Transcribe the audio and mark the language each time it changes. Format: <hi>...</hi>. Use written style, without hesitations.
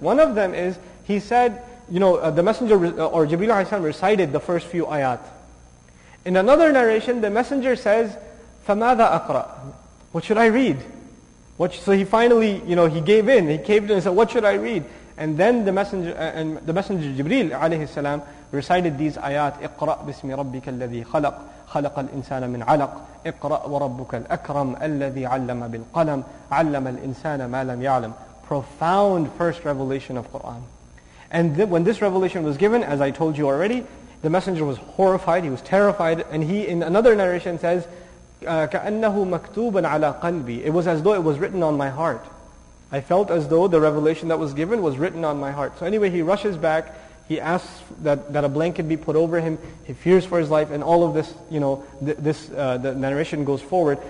<en>One of them is, he said, you know, the Messenger, or Jibreel alayhi salam, recited the first few ayat. In another narration, the Messenger says,</en> <ar>فَمَاذَا أَقْرَأْ.</ar> <en>What should I read? So he finally, you know, he gave in. He caved in and said, what should I read? And then the messenger Jibreel alayhi salam recited these ayat,</en> <ar>اِقْرَأْ بِسْمِ رَبِّكَ الَّذِي خَلَقْ خَلَقَ الْإِنسَانَ مِنْ عَلَقْ اِقْرَأْ وَرَبُّكَ الْأَكْرَمَ الَّذِي عَلَّمَ بِالْقَلَمْ عَلَّمَ الْإِنسَانَ مَا لَمْ يَعْلَمْ.</ar> <en>Profound first revelation of Qur'an. And when this revelation was given, as I told you already, the Messenger was horrified, he was terrified, and he, in another narration, says,</en> <ar>كَأَنَّهُ مَكْتُوبًا عَلَىٰ قَلْبِي.</ar> <en>It was as though it was written on my heart. I felt as though the revelation that was given was written on my heart. So anyway, he rushes back, he asks that a blanket be put over him, he fears for his life, and all of this, you know, the narration goes forward.</en>